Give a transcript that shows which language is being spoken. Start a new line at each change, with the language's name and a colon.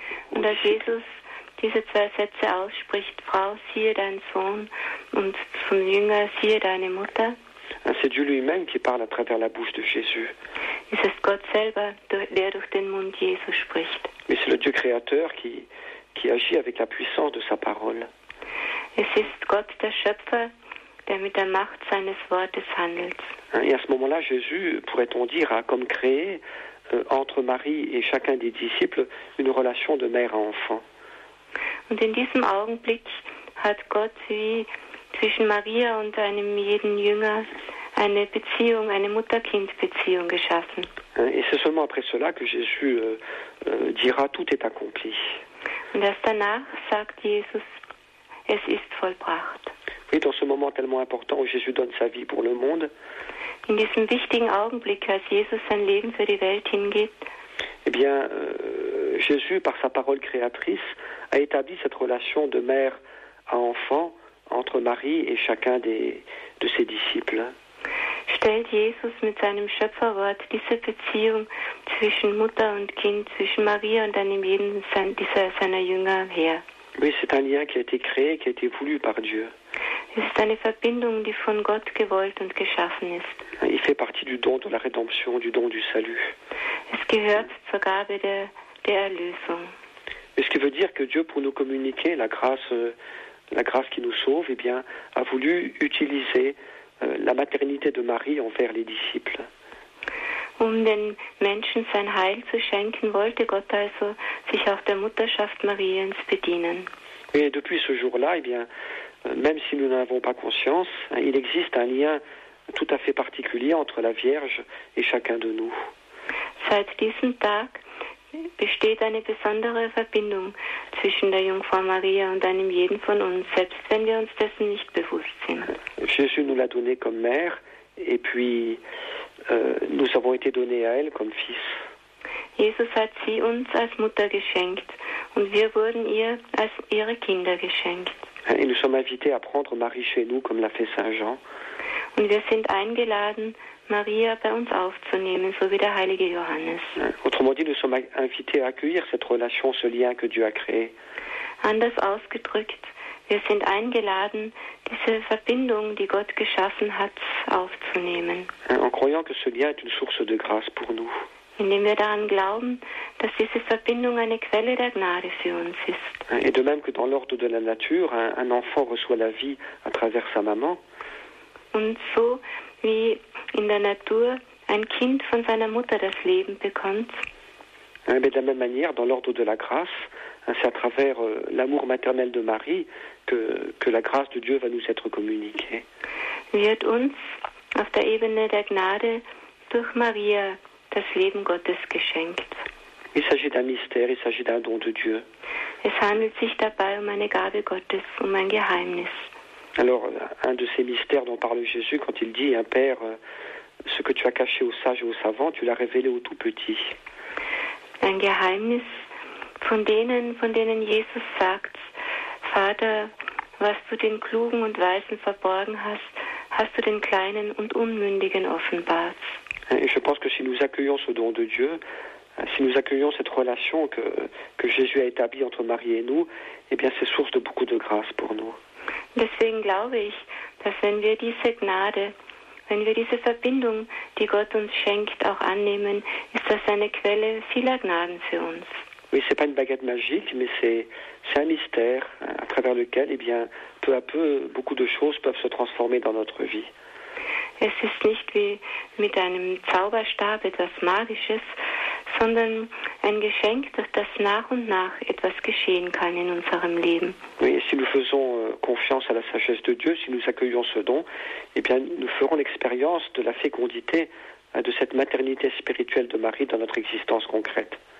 German: Und als Jesus diese zwei Sätze ausspricht, Frau, siehe dein Sohn, und zum Jünger, siehe deine Mutter.
French: C'est Dieu lui-même qui parle à travers la bouche de Jésus.
German: Es ist Gott selber, der durch den Mund Jesus spricht.
French: Mais c'est le Dieu créateur qui agit avec la puissance de sa parole.
German: Es ist Gott, der Schöpfer, der mit der Macht seines Wortes handelt.
French: Et à ce moment-là, Jésus, pourrait-on dire, a comme créé entre Marie et chacun des disciples une relation de mère à enfant.
German: Und in diesem Augenblick hat Gott wie zwischen Maria und einem jeden Jünger eine Beziehung, eine Mutter-Kind-Beziehung geschaffen.
French: Et c'est seulement après cela que Jésus dira, tout est accompli.
German: Und erst danach sagt Jesus, es ist vollbracht.
French: Oui, dans ce moment tellement important où Jésus donne sa vie pour le monde.
German: in diesem wichtigen Augenblick, als Jesus sein Leben für die Welt hingibt?
French: Eh bien, Jésus, par sa parole créatrice, a établi cette relation de mère à enfant entre Marie et chacun de ses disciples.
German: Stellt Jesus mit seinem Schöpferwort diese Beziehung zwischen Mutter und Kind, zwischen Maria und einem jeden seiner Jünger her?
French: Oui, c'est un lien qui a été créé, qui a été voulu par Dieu.
German: Es ist eine Verbindung, die von Gott gewollt und geschaffen ist.
French: Il fait partie du don de la rédemption, du don du salut.
German: Es gehört zur Gabe der Erlösung.
French: Et ce qui veut dire que Dieu, pour nous communiquer la grâce qui nous sauve, eh bien, a voulu utiliser la maternité de Marie envers les disciples.
German: Den Menschen sein Heil zu schenken, wollte Gott also sich auch der Mutterschaft Mariens bedienen.
French: Et depuis ce jour-là, eh bien, même si nous n'en avons pas conscience, il existe un lien tout à fait particulier entre la Vierge et chacun de nous.
German: Seit diesem Tag besteht eine besondere Verbindung zwischen der Jungfrau Maria und einem jeden von uns, selbst wenn wir uns dessen nicht bewusst sind.
French: Jésus nous l'a donné comme mère, et puis nous avons été donnés à elle comme fils.
German: Jesus hat sie uns als Mutter geschenkt, und wir wurden ihr als ihre Kinder geschenkt.
French: Et nous sommes invités à prendre Marie chez nous, comme l'a fait Saint Jean.
German: Und wir sind eingeladen, Maria bei uns aufzunehmen, so wie der heilige Johannes.
French: Autrement dit, nous sommes invités à accueillir cette relation, ce lien que Dieu a créé.
German: Anders ausgedrückt, wir sind eingeladen, diese Verbindung, die Gott geschaffen hat, aufzunehmen.
French: En croyant que ce lien est une source de grâce pour nous.
German: Indem wir daran glauben, dass diese Verbindung eine Quelle der Gnade für uns ist.
French: Et de même que dans l'ordre de la nature, un enfant reçoit la vie à travers sa maman.
German: Und so wie in der Natur ein Kind von seiner Mutter das Leben bekommt.
French: Mais de la même manière, dans l'ordre de la grâce, c'est à travers l'amour maternel de Marie que la grâce de Dieu va nous être communiquée.
German: Wird uns auf der Ebene der Gnade durch Maria das Leben Gottes geschenkt.
French: Il s'agit d'un mystère, il s'agit d'un don de Dieu.
German: Es handelt sich dabei um eine Gabe Gottes, um ein Geheimnis.
French: Alors, un de ces mystères dont parle Jésus quand il dit, Père, ce que tu as caché aux sages et aux savants, tu l'as révélé aux tout petits.
German: Ein Geheimnis von denen Jesus sagt, Vater, was du den Klugen und Weisen verborgen hast, hast du den Kleinen und Unmündigen offenbart.
French: Et je pense que si nous accueillons ce don de Dieu, si nous accueillons cette relation que Jésus a établie entre Marie et nous, eh bien, c'est source de beaucoup de grâce pour nous.
German: Deswegen glaube ich, dass wenn wir diese Gnade, wenn wir diese Verbindung, die Gott uns schenkt, auch annehmen, ist das eine Quelle vieler Gnaden für uns.
French: Oui, c'est pas une baguette magique, mais c'est un mystère à travers lequel, eh bien, peu à peu, beaucoup de choses peuvent se transformer dans notre vie.
German: Es ist nicht wie mit einem Zauberstab etwas Magisches, sondern ein Geschenk, durch das nach und nach etwas geschehen kann in unserem Leben.
French: Oui, si nous faisons confiance à la sagesse de Dieu, si nous accueillons ce don, eh bien, nous ferons l'expérience de la fécondité de cette maternité spirituelle de Marie dans notre existence concrète.